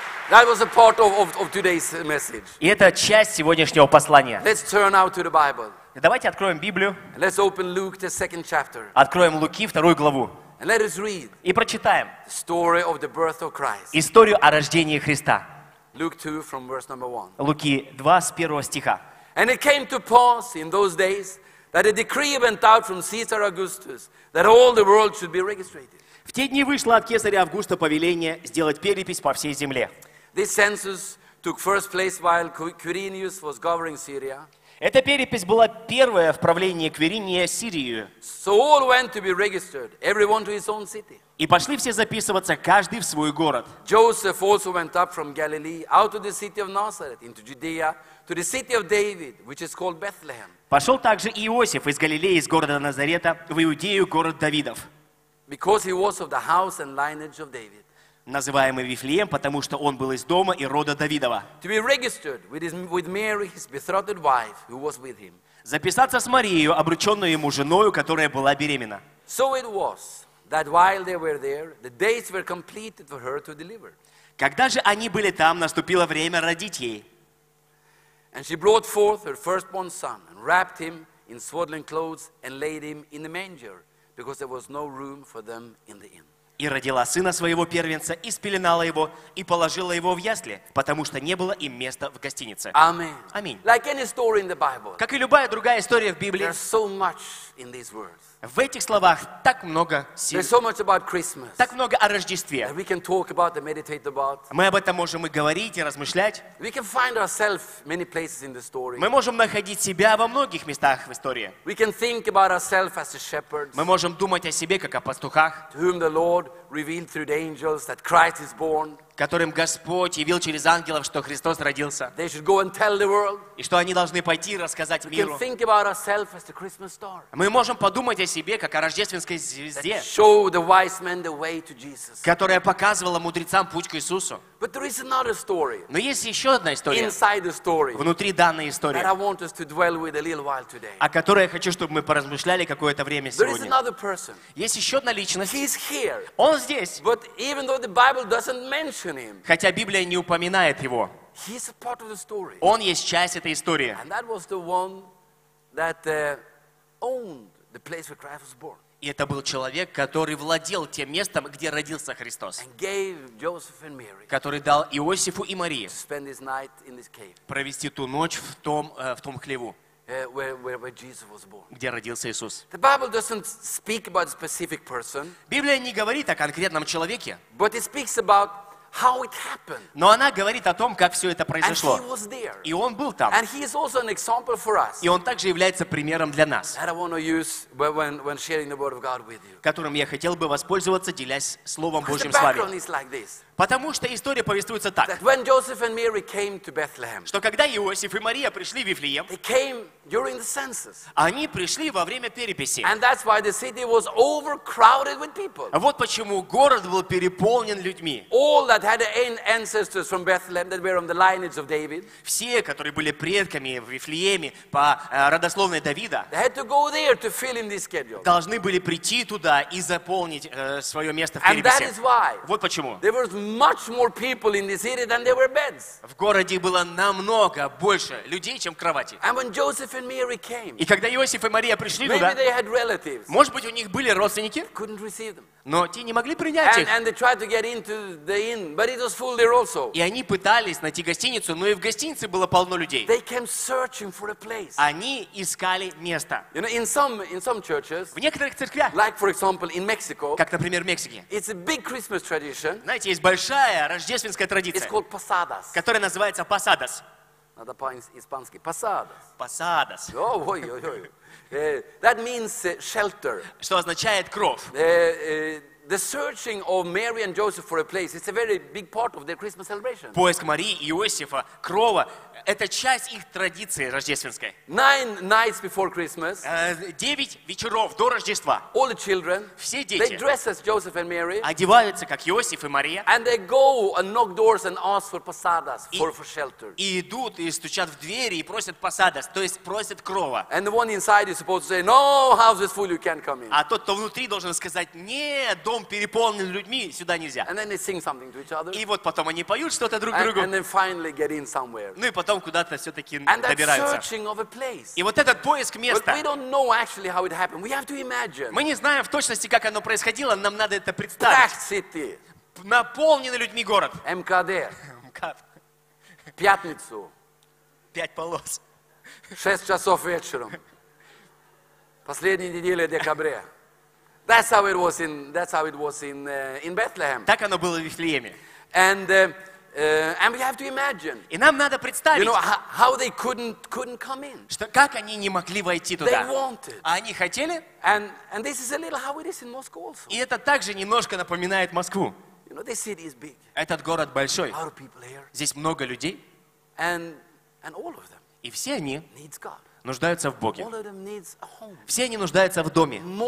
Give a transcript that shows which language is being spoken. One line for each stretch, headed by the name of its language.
English: That was a part of today's message.
Russian: И это часть сегодняшнего послания.
English: Let's turn out to the Bible.
Russian: Давайте откроем Библию.
English: Let's open Luke, the second chapter.
Russian: Откроем Луки, вторую главу.
English: And let us read.
Russian: И прочитаем.
English: The story of the birth of Christ.
Russian: Историю о рождении Христа.
English: Luke 2 from verse number 1.
Russian: Луки 2 с первого стиха.
English: And it came to pass in those days that a decree went out from Caesar Augustus that all the world should be registered.
Russian: В те дни вышло от Кесаря Августа повеление сделать перепись по всей земле.
English: This census took first place while Quirinius was governing Syria.
Russian: Эта перепись была первая в правлении Квириния Сирию.
English: So all went to be registered, everyone to his own city.
Russian: И пошли все записываться, каждый в свой город.
English: Joseph also went up from Galilee, out of the city of Nazareth, into Judea, to the city of David, which is called Bethlehem.
Russian: Пошел также Иосиф из Галилеи, из города Назарета, в Иудею, город Давидов.
English: Because he was of the house and lineage of David.
Russian: Называемый Вифлеем, потому что он был из дома и рода Давидова.
English: To be registered with Mary, his betrothed wife, who was with him.
Russian: Записаться с Марией, обрученной ему женою, которая была беременна.
English: So it was that while they were there, the days were completed for her to deliver.
Russian: Когда же они были там, наступило время родить ей.
English: And she brought forth her firstborn son and wrapped him in swaddling clothes and laid him in the manger, because there was no room for them in the inn.
Russian: И родила сына своего первенца, и спеленала его, и положила его в ясли, потому что не было им места в гостинице. Аминь.
English: Like any story in the Bible,
Russian: как и любая другая история в Библии,
English: there's so much in these words.
Russian: В этих словах так много сил.
English: There's so much about Christmas,
Russian: так много о Рождестве.
English: That we can talk about and meditate about.
Russian: Мы об этом можем и говорить, и размышлять.
English: We can find ourselves many places in the story.
Russian: Мы можем находить себя во многих местах в истории.
English: We can think about ourselves as a shepherd.
Russian: Мы можем думать о себе, как о пастухах.
English: To whom the Lord revealed through the angels that Christ is born.
Russian: Которым Господь явил через ангелов, что Христос родился.
English: They should go and tell the world.
Russian: И что они должны пойти и рассказать миру.
English: We can think about ourselves as the Christmas star.
Russian: Мы можем подумать о себе, как о рождественской звезде,
English: that show the wise men the way to Jesus.
Russian: Которая показывала мудрецам путь к Иисусу.
English: But there is another story.
Russian: Но есть еще одна история.
English: Inside the story.
Russian: Внутри данной истории.
English: That I want us to dwell with a little while today.
Russian: О которой я хочу, чтобы мы поразмышляли какое-то время сегодня.
English: There is another person.
Russian: Есть еще одна личность.
English: He is here.
Russian: Он здесь.
English: But even though the Bible doesn't mention him.
Russian: Хотя Библия не упоминает его.
English: He is a part of the story.
Russian: Он есть часть этой истории.
English: And that was the one that owned the place where Christ was born.
Russian: И это был человек, который владел тем местом, где родился Христос.
English: And gave Joseph and Mary,
Russian: который дал Иосифу и Марии
English: to spend his night in this cave,
Russian: провести ту ночь в том хлеву,
English: where Jesus was born.
Russian: Где родился Иисус.
English: The Bible doesn't speak about a specific person,
Russian: Библия не говорит о конкретном человеке,
English: but it speaks about how it happened.
Russian: Но она говорит о том, как все это произошло.
English: And he was there.
Russian: И он был там.
English: And he is also an example for us.
Russian: И он также является примером для нас.
English: That I want to use when sharing the word of God with you.
Russian: Которым я хотел бы воспользоваться, делясь Словом Божьим с вами.
English: Because the background is like this.
Russian: Потому что история повествуется так.
English: That when Joseph and Mary came to Bethlehem,
Russian: что когда Иосиф и Мария пришли в Вифлеем,
English: they came during the census.
Russian: Они пришли во время переписи.
English: And that's why the city was overcrowded with people.
Russian: Вот почему город был переполнен людьми.
English: All that had ancestors from Bethlehem that were on the lineage of David.
Russian: Все, которые были предками в Вифлееме по родословной Давида,
English: they had to go there to fill in this schedule.
Russian: Должны были прийти туда и заполнить свое место в переписи.
English: And that is why.
Russian: Вот почему.
English: There was much more people in the city than there were beds.
Russian: В городе было намного больше людей, чем кровати.
English: And when Joseph and Mary came,
Russian: и когда Иосиф и Мария пришли
English: maybe
Russian: туда,
English: they had relatives,
Russian: может быть, у них были родственники,
English: couldn't receive them.
Russian: Но те не могли принять их. И они пытались найти гостиницу, но и в гостинице было полно людей.
English: They came searching for a place.
Russian: Они искали место.
English: You know, in some churches,
Russian: в некоторых церквях,
English: like, for example, in Mexico,
Russian: как, например, в Мексике,
English: it's a big Christmas tradition,
Russian: знаете, есть большая рождественская традиция,
English: it's called Posadas,
Russian: которая называется Posadas. Надо по-испански. Posadas.
Spanish: Posadas.
Russian: Ой-ой-ой.
English: That means shelter.
Russian: Что означает кров.
English: The searching of Mary and Joseph for a place is a very big part of their Christmas celebration.
Russian: Поиск Марии и Иосифа, крова, это часть их традиции рождественской.
English: 9 nights before Christmas.
Russian: 9 вечеров до Рождества.
English: All the children.
Russian: Все дети.
English: They dress as Joseph and Mary.
Russian: Одеваются как Иосиф и Мария.
English: And they go and knock doors and ask for posadas for shelter.
Russian: И идут и стучат в двери и просят посадас, то есть просят крова.
English: And the one inside is supposed to say, "No, house is full, you can't come in."
Russian: А тот, кто внутри, должен сказать: "Нет, дом переполнен людьми, сюда нельзя."
English: And then they sing something to each other.
Russian: И вот потом они поют что-то друг другу.
English: And then finally get in somewhere.
Russian: Ну и потом куда-то все-таки добираются. И вот этот поиск места.
English: But we don't know actually how it happened. We have to imagine.
Russian: Мы не знаем в точности, как оно происходило, нам надо это представить. Наполненный людьми город. МКД. Пятницу. Пять полос. 18:00 вечером. Последняя неделя декабря.
English: That's how it was in Bethlehem.
Russian: Так оно было в Вифлееме.
English: And we have to imagine.
Russian: И нам надо представить,
English: you know, how they couldn't come in.
Russian: Что как они не могли войти туда?
English: They wanted.
Russian: А они хотели?
English: And this is a little how it is in Moscow also.
Russian: И это также немножко напоминает Москву.
English: You know, this city is big.
Russian: Этот город большой.
English: Our people here.
Russian: Здесь много людей.
English: And all of them.
Russian: И все они
English: needs God.
Russian: Нуждаются в Боге. Все они нуждаются в доме.